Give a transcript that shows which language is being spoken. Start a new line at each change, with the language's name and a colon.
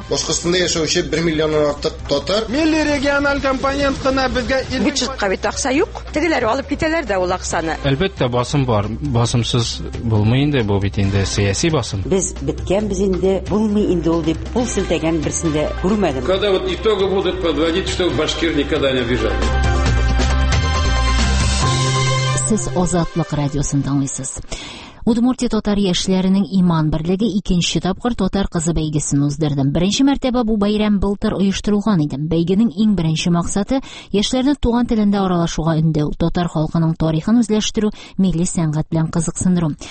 Tatar: Башкортстанда яшәүче 1 миллионнан артык татар милли региональ компонент кына безгә бичкә бит акча юк. Тегеләр алып китәләр дә ул акчаны. Әлбәттә басым бар. Басымсыз булмый инде бу бит инде сәяси басым. Без биткән без инде булмый инде ул дип ул сөйләгән берсендә күрмәдем.
Russian: Когда вот итоги будут подводить, что Башкир никогда не обижал.
Tatar: Сез Азатлык радиосын тыңлыйсыз. Удмуртия татар яшьләренең иман берлеге икенче тапкыр татар кызы бәйгесен уздырды. Беренче мәртәбә бу бәйрәм былтыр оештырылган иде. Бәйгенең иң беренче максаты яшьләрне туган телендә аралашуга өндәү, татар халкының тарихын үзләштерү, милли сәнгать белән кызыксындыру.